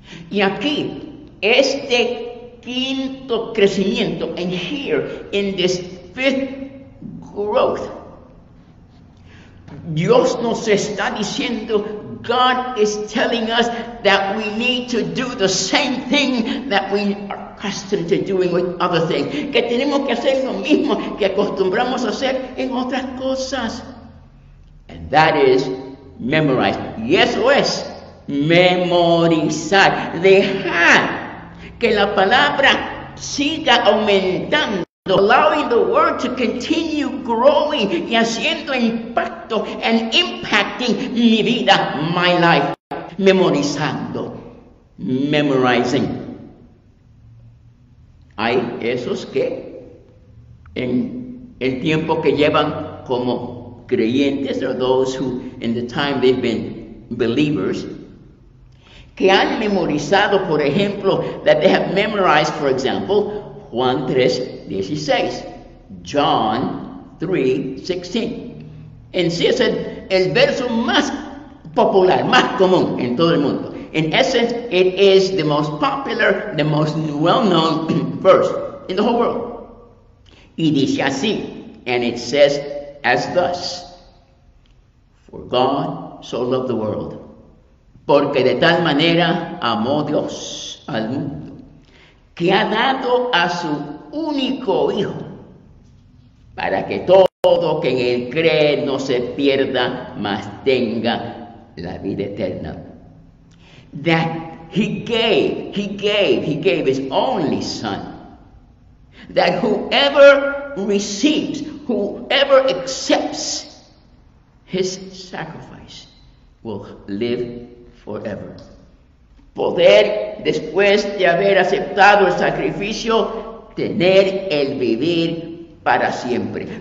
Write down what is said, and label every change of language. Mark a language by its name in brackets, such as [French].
[Spanish] Y aquí, este quinto crecimiento, [English] and here, in this fifth growth, [Spanish] Dios nos está diciendo, [English] God is telling us that we need to do the same thing that we are accustomed to doing with other things. [Spanish] Que tenemos que hacer lo mismo que acostumbramos a hacer en otras cosas. [English] And that is memorize. [Spanish] Y eso es memorizar. Dejar que la palabra siga aumentando. [English] Allowing the word to continue growing [Spanish] y haciendo impacto [English] and impacting [Spanish] mi vida, [English] my life. [Spanish] Memorizando, [English] memorizing. [Spanish] Hay esos que en el tiempo que llevan como creyentes, [English] or those who in the time they've been believers, [Spanish] que han memorizado, por ejemplo, [English] that they have memorized, for example, [Spanish] Juan 3:16, John 3:16. En sí es el verso más popular, más común en todo el mundo. [English] In essence, it is the most popular, the most well-known verse in the whole world. [Spanish] Y dice así, [English] and it says as thus, for God so loved the world, [Spanish] porque de tal manera amó Dios al mundo, que ha dado a su único hijo para que todo que en él cree no se pierda, mas tenga la vida eterna. [English] That he gave his only son, that whoever receives, whoever accepts his sacrifice will live forever. [Spanish] Poder, después de haber aceptado el sacrificio, tener el vivir para siempre.